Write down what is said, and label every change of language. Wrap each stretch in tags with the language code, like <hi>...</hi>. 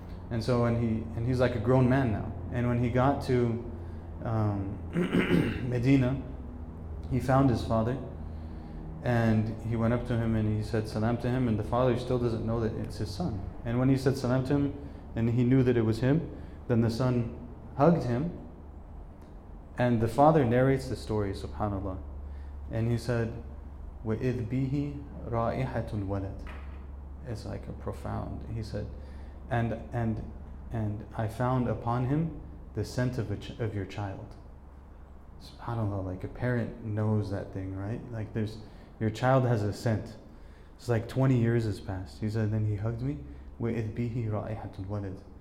<en>And so when he's like a grown man now. And when he got to Medina, he found his father, and he went up to him and he said salam to him, and the father still doesn't know that it's his son. And when he said salam to him and he knew that it was him, then the son hugged him, and the father narrates the story, subhanAllah. And he said,</en> <ar>وَإِذْ بِهِ رَائِحَةٌ وَلَدْ.</ar> <en>It's like a profound, he said, and I found upon him the scent of your child. SubhanAllah, like a parent knows that thing, right? Like there's, your child has a scent. It's like 20 years has passed. He said, then he hugged me,</en> <ar>وَإِذْ بِهِ رَائِحَةٌ وَلَدْ.</ar>